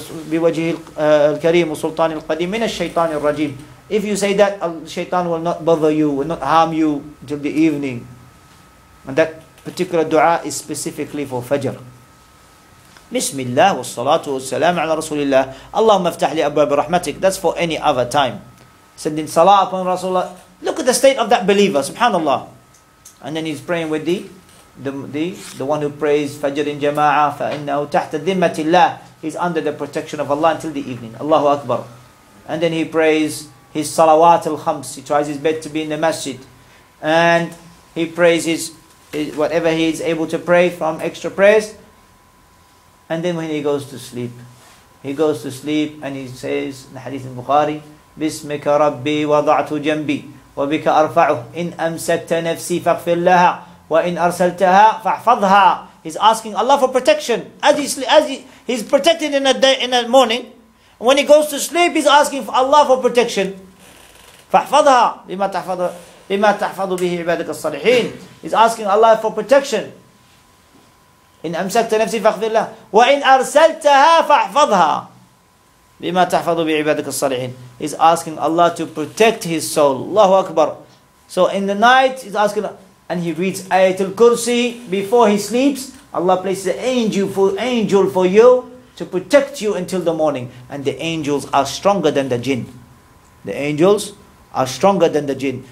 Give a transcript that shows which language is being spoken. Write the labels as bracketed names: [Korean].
[Arabic] بوجه الكريم وسلطان القديم من الشيطان الرجيم. [English] If you say that, Shaitan will not bother you, will not harm you until the evening. And that particular dua is specifically for Fajr. [Arabic] بسم الله والصلاة والسلام على رسول الله. اللهم افتح لي أبواب رحمتك. [English] That's for any other time. Sending salah upon Rasulullah. Look at the state of that believer, subhanallah. And then he's praying with the one who prays Fajr in Jama'ah, [Arabic] فَإِنَّهُ تَحْتَ ذِمَّةِ اللَّهِ. [English] He's under the protection of Allah until the evening. Allahu Akbar. And then he prays his salawat al-khams. He tries his best to be in the masjid. And he prays his whatever he is able to pray from extra prayers. And then when he goes to sleep and he says, in the hadith in Bukhari, [Arabic] بِسْمِكَ رَبِّي وَضَعْتُ جَنْبِي وَبِكَ أَرْفَعُهُ إِنْ أَمْسَكْتَ نَفْسِي فَغْفِرْ لَهَا وَإِنْ أَرْسَلْتَهَا فَحْفَظْهَا. [English] He's asking Allah for protection. He's protected in the morning. When he goes to sleep, he's asking for Allah for protection. [Arabic] فَحْفَظْهَا بِمَا تَحْفَظُ بِهِ عِبَادَكَ الصَّالِحِينَ. [English] He's asking Allah for protection. [Arabic] إن أمسكت نفسي فاغفر له وإن أرسلتها فاحفظها بما تحفظ بعبادك الصالحين. [English] He's asking Allah to protect his soul. Allahu Akbar. So in the night he's asking and he reads Ayatul Kursi before he sleeps. Allah places an angel for you to protect you until the morning. And the angels are stronger than the jinn. The angels are stronger than the jinn.